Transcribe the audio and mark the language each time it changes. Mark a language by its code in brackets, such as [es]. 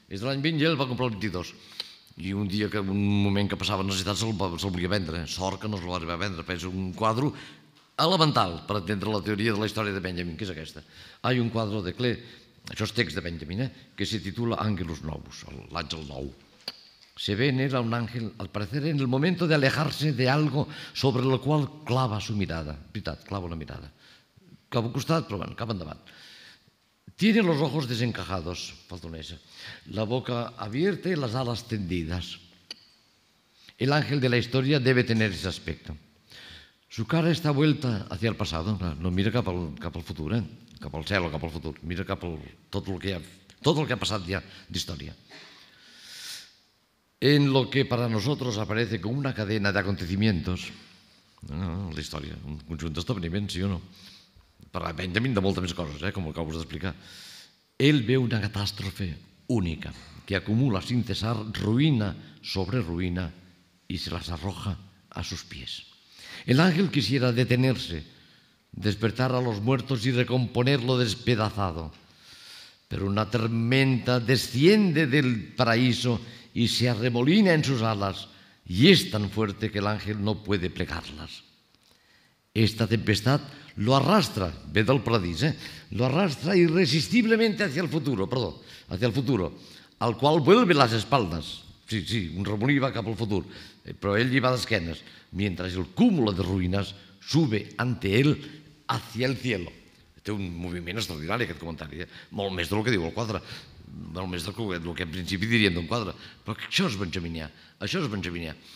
[ca] És de l'any 20 i ell va comprar el 22. I un dia, que un moment que passava necessitat, se'l volia vendre. Sort que no se'l va arribar a vendre, però és un quadre elemental per entendre la teoria de la història de Benjamin, que és aquesta. Hi ha un quadre de Klee, això és text de Benjamin, que se titula Ángelus Novus, l'àngel nou. [es] Se ve en él a un ángel, al parecer, en el momento de alejarse de algo sobre lo cual clava su mirada. [ca] Veritat, clava una mirada. Cap al costat, però bueno, cap endavant. [es] Tiene los ojos desencajados, falta una S, la boca abierta y las alas tendidas. El ángel de la historia debe tener ese aspecto. Su cara está vuelta hacia el pasado, [ca] no mira cap al futur, cap al cel o cap al futur, mira cap al tot el que ha passat ja d'història. [es] En lo que para nosotros aparece como una cadena de acontecimientos, [ca] la història, un conjunt d'esdeveniments, sí o no, per a Benjamin de moltes més coses, com acabo d'explicar. Ell ve una catàstrofe única que acumula [es] sin cesar [ca] ruïna sobre ruïna i [es] se les arroja a sus pies. El ángel quisiera detenerse, despertar a los muertos y recomponer lo despedazado, pero una tormenta desciende del paraíso y se arremolina en sus alas y es tan fuerte que el ángel no puede plegarlas. Esta tempestad lo arrastra, [ca] ve del paradís, [es] lo arrastra irresistiblemente hacia el futuro, al cual vuelve las espaldas. [ca] Sí, sí, un remolí va cap al futur, però ell hi va d'esquenes, [es] mientras el cúmulo de ruïnes sube ante él hacia el cielo. [ca] Té un moviment extraordinari, aquest comentari, molt més del que diu el quadre, molt més del que en principi diríem d'un quadre. Però això és benjaminià, això és benjaminià.